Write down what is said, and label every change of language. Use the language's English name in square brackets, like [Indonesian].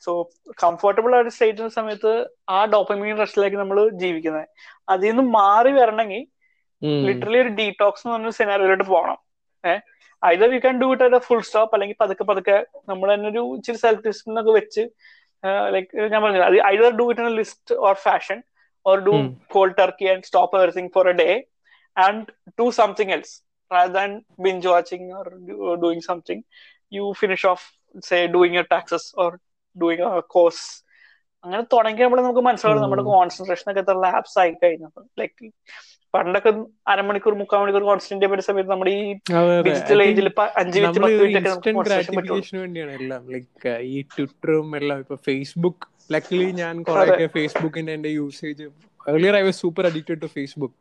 [Malayalam] So comfortable ആയ ഒരു സ്റ്റേറ്റിന് സമയത്ത് ആ ഡോപ്പമീൻ റഷിലേക്ക് നമ്മൾ ജീവിക്കുന്നത്. അതിൽ നിന്ന് മാറി വരണമെങ്കിൽ ലിറ്ററലി ഒരു ഡീടോക്സ് എന്ന് പറഞ്ഞ സിനാരിയോയിലോട്ട് പോകണം. [English] Either we can do it at a full stop [Malayalam] അല്ലെങ്കിൽ പതുക്കെ പതുക്കെ നമ്മൾ തന്നെ ഒരു ഇച്ചിരി സെൽഫ് ഡിസിപ്ലിൻ ഒക്കെ വെച്ച് ലൈക്ക് ഞാൻ പറഞ്ഞത് [English] either do it in a list or fashion or do cold turkey and stop everything for a day and do something else rather than binge watching or doing something. You finish off, say, doing your taxes or doing a course. [Malayalam] അങ്ങനെ തുടങ്ങിയപ്പോൾ നമുക്ക് മനസ്സിലാവും നമ്മുടെ concentration ഒക്കെ എത്ര lapse ആയി കഴിഞ്ഞത്. Like പണ്ടൊക്കെ അരമണിക്കൂർ മുക്കാൽ മണിക്കൂർ കോൺസെന്റ് ചെയ്യുന്ന സമയത്ത് നമ്മുടെ ഈ ഡിജിറ്റൽ ഏജിൽ അഞ്ച് മിനിറ്റ് പത്ത് മിനിറ്റ് ഒക്കെ നമുക്ക് കോൺസെൻട്രേഷൻ പറ്റുള്ളൂ. വേണ്ടിയാണ് എല്ലാം ലൈക് ഈ ട്വിറ്ററും എല്ലാം. ഇപ്പൊ ഫേസ്ബുക്ക് ലക്കലി ഞാൻ കുറെയൊക്കെ ഫേസ്ബുക്കിന്റെ എന്റെ usage [English] Earlier I was super addicted to Facebook.